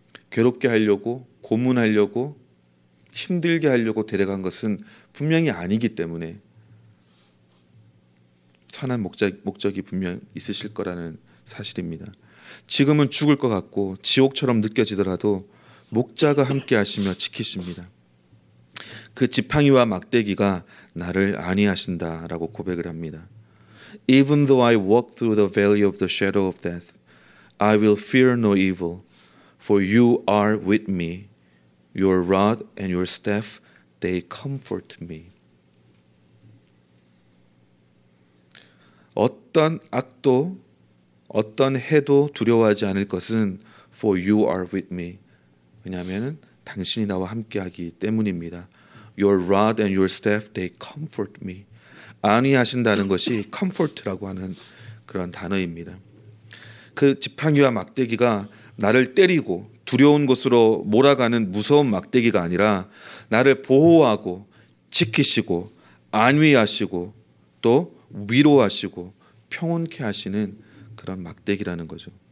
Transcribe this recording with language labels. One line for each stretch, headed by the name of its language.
Korean: 괴롭게 하려고, 고문하려고, 힘들게 하려고 데려간 것은 분명히 아니기 때문에 선한 목적이 분명 있으실 거라는 사실입니다. 지금은 죽을 것 같고 지옥처럼 느껴지더라도 목자가 함께 하시며 지키십니다. 그 지팡이와 막대기가 나를 안위하신다라고 고백을 합니다.
English: Even though I walk through the valley of the shadow of death, I will fear no evil, for you are with me. Your rod and your staff, they comfort me.
Korean: 어떤 악도, 어떤 해도 두려워하지 않을 것은
English: for you are with me.
Korean: 왜냐하면 당신이 나와 함께하기 때문입니다.
English: Your rod and your staff, they comfort me.
Korean: 안위하신다는 것이 comfort라고 하는 그런 단어입니다. 그 지팡이와 막대기가 나를 때리고 두려운 곳으로 몰아가는 무서운 막대기가 아니라 나를 보호하고 지키시고 안위하시고 또 위로하시고 평온케 하시는 그런 막대기라는 거죠.